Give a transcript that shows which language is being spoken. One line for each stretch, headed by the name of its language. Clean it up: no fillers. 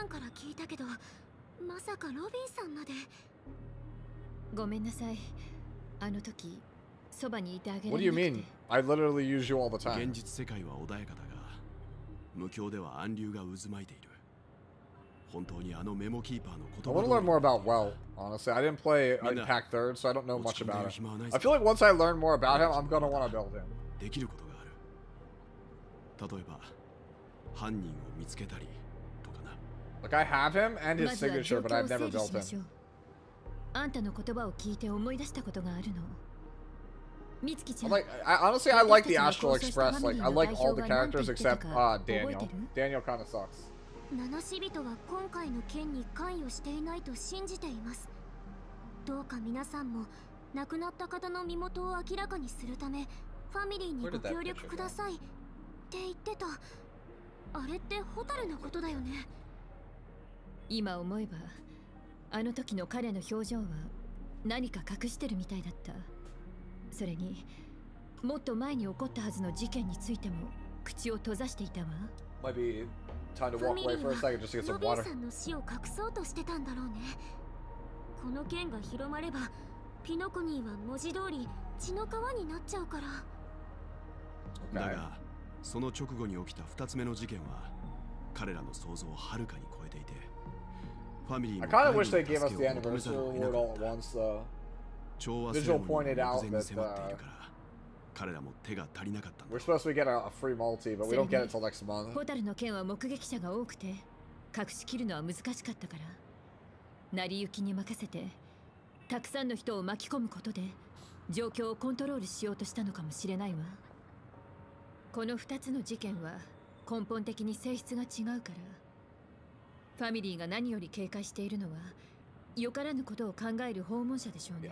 Japanese: から聞いたけど、まさかロビンさんまで。ごめんなさい。あの時、そばにいてあげる。
English: What do you mean? I literally use you all the time.
Japanese: 現実世界は穏やかだが、無境では暗流が渦巻いている。本当にあのメモキーパーの言葉。
English: I want to learn more about Well. Honestly, I didn't play Impact Third, so I don't know much about him. I feel like once I learn more about him, I'm gonna want to build him.
Japanese: できること。例えば、犯人を見つけたりとかな。
English: Like I have him and his signature, but I've never built him.
Japanese: あんたの言葉を聞いて思い出したことがあるの。みつきちゃん。
English: Honestly, I like the Astral Express. Like I like all the characters except Daniel. Daniel kind of sucks.
Japanese: 七死人は今回の件に関与していないと信じています。どうか皆さんも亡くなった方の身元を明らかにするためファミリーにご協力ください。って言ってた。あれってホタルのことだよね。今思えば、あの時の彼の表情は何か隠してるみたいだった。それに、もっと前に起こったはずの事件についても口を閉ざしていたわ。
English: Maybe time to walk away for a second just to get some water.
Japanese: ロビンさんの死を隠そうとしてたんだろうね。この件が広まれば、ピノコニーは文字通り血の川になっちゃうから。だが。その直後に起きた2つ目の事件は彼らの想像をはるかに超えていて、ファミリーも彼らの助けを求めざるを得なかった。調和性を目前に迫っているから彼らも手が足りなかったんだ。
English: We're supposed to get a free multi, but we don't get it till next month.
Japanese: ホタルの件は目撃者が多くて隠しきるのは難しかったから、成り行きに任せてたくさんの人を巻き込むことで状況をコントロールしようとしたのかもしれないわ。この2つの事件は根本的に性質が違うから、ファミリーが何より警戒しているのはよからぬことを考える訪問者でしょうね。